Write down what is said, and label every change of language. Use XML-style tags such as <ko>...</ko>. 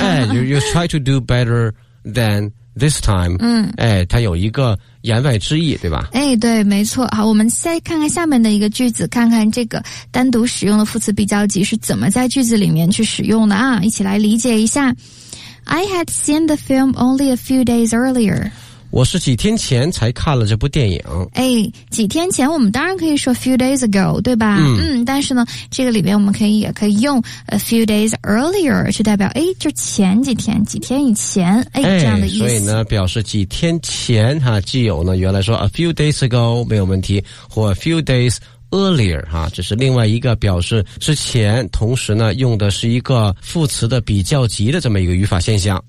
<en>哎， you try to do better than this time， 哎，</en> <zh>它有一个言外之意对吧，哎，对没错。好，我们再看看下面的一个句子，看看这个单独使用的副词比较级是怎么在句子里面去使用的啊，一起来理解一下。</zh> <en>I had seen the film only a few days earlier，</en> <zh>我是几天前才看了这部电影，哎，几天前我们当然可以说 few days ago 对吧，但是呢这个里面我们可以也可以用 a few days earlier 去代表，哎，就前几天，几天以前，哎，这样的意思，所以呢表示几天前哈，既有呢原来说 a few days ago 没有问题，或 a few days earlier 哈，这是另外一个表示之前，同时呢用的是一个副词的比较级的这么一个语法现象。</zh>